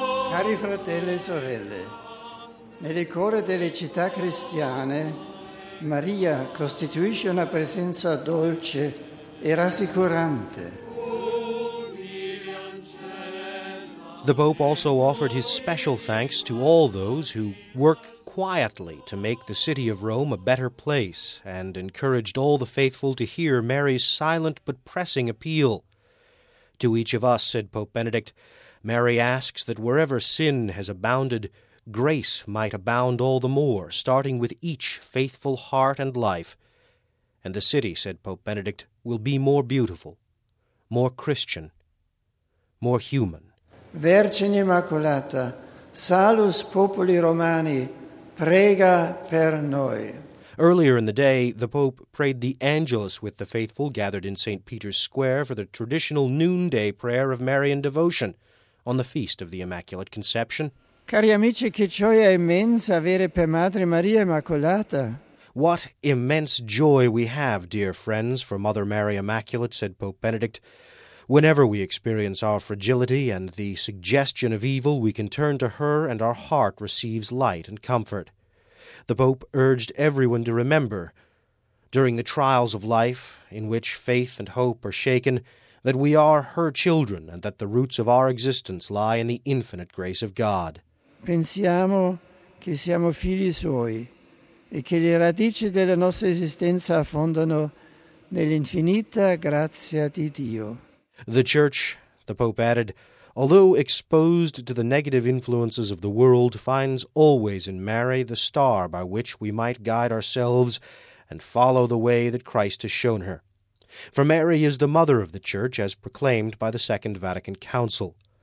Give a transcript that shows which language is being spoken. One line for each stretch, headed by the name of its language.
Italian: Cari fratelli e sorelle, nelle core delle città cristiane, Maria costituisce una presenza dolce e rassicurante.
English: The Pope also offered his special thanks to all those who work quietly to make the city of Rome a better place, and encouraged all the faithful to hear Mary's silent but pressing appeal. To each of us, said Pope Benedict, Mary asks that wherever sin has abounded, grace might abound all the more, starting with each faithful heart and life. And the city, said Pope Benedict, will be more beautiful, more Christian, more human.
Italian: Vergine Immacolata, Salus Populi Romani, prega per noi.
English: Earlier in the day, the Pope prayed the Angelus with the faithful gathered in St. Peter's Square for the traditional noonday prayer of Marian devotion on the Feast of the Immaculate Conception.
Italian: Cari amici, che gioia immensa avere per Madre Maria Immacolata.
English: What immense joy we have, dear friends, for Mother Mary Immaculate, said Pope Benedict. Whenever we experience our fragility and the suggestion of evil, we can turn to her and our heart receives light and comfort. The Pope urged everyone to remember, during the trials of life in which faith and hope are shaken, that we are her children and that the roots of our existence lie in the infinite grace of God.
Italian: Pensiamo che siamo figli suoi e che le radici della nostra esistenza affondano nell'infinita grazia di Dio.
English: The Church, the Pope added, although exposed to the negative influences of the world, finds always in Mary the star by which we might guide ourselves and follow the way that Christ has shown her. For Mary is the mother of the Church, as proclaimed by the Second Vatican Council.